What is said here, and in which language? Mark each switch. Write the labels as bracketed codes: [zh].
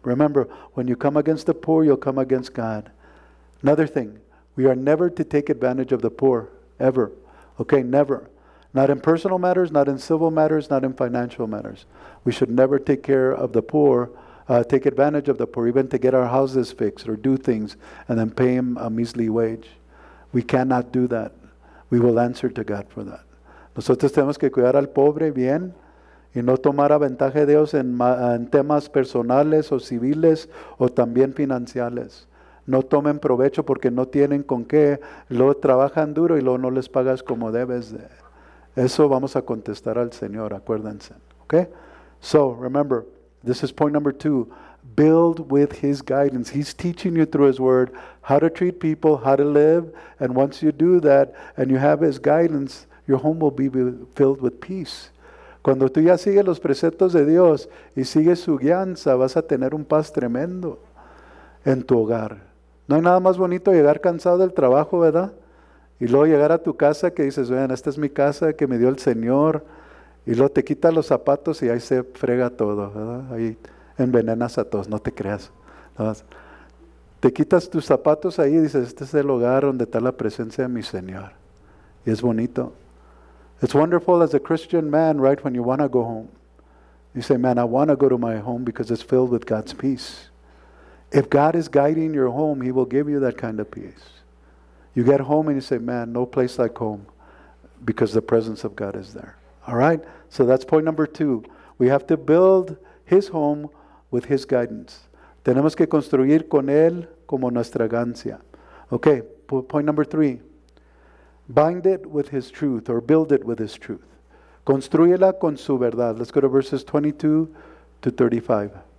[en] Remember, when you come against the poor, you'll come against God. Another thing, we are never to take advantage of the poor, ever. Okay, never. Not in personal matters, not in civil matters, not in financial matters. We should never take care of the poor. Take advantage of the poor, even to get our houses fixed or do things and then pay him a measly wage. We cannot do that. We will answer to God for that. [es] Nosotros tenemos que cuidar al pobre bien y no tomar a ventaja de Dios en temas personales o civiles o también financiales. No tomen provecho porque no tienen con qué. Luego trabajan duro y luego no les pagas como debes. Eso vamos a contestar al Señor, acuérdense. [en] Okay? So, remember, this is point number two. Build with his guidance. He's teaching you through his word how to treat people, how to live. And once you do that and you have his guidance, your home will be filled with peace. [es] Cuando tú ya sigues los preceptos de Dios y sigues su guianza, vas a tener un paz tremendo en tu hogar. No hay nada más bonito llegar cansado del trabajo, ¿verdad? Y luego llegar a tu casa que dices, vean, esta es mi casa que me dio el Señor. Y luego te quita los zapatos y ahí se frega todo, ¿verdad? Ahí envenenas a todos, no te creas. Te quitas tus zapatos ahí y dices, este es el hogar donde está la presencia de mi Señor. Y es bonito. [en] It's wonderful as a Christian man, right, when you want to go home. You say, man, I want to go to my home because it's filled with God's peace. If God is guiding your home, he will give you that kind of peace. You get home and you say, man, no place like home, because the presence of God is there. All right, so that's point number two. We have to build his home with his guidance. [es] Tenemos que construir con él como nuestra ganancia. [en] Okay, point number three. Bind it with his truth, or build it with his truth. [es] Construyela con su verdad. [en] Let's go to verses 22 to 35.